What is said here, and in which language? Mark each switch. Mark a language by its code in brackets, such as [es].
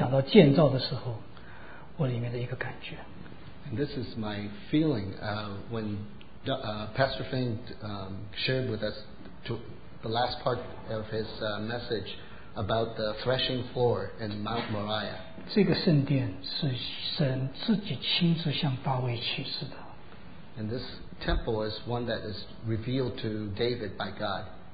[zh] 这是冯牧师昨天上个礼拜在交通到最后的时候讲到那一个摩利亚山上建圣殿，讲到两个弟兄，讲到耶和那个合场的时候，讲到建造的时候，我里面的一个感觉。 [en] And this is my feeling when Pastor Fink shared with us to the last part of his message about the threshing floor in Mount Moriah. [zh] 这个圣殿是神自己亲自向大卫启示的。 [en] And this temple is one that is revealed to David by God.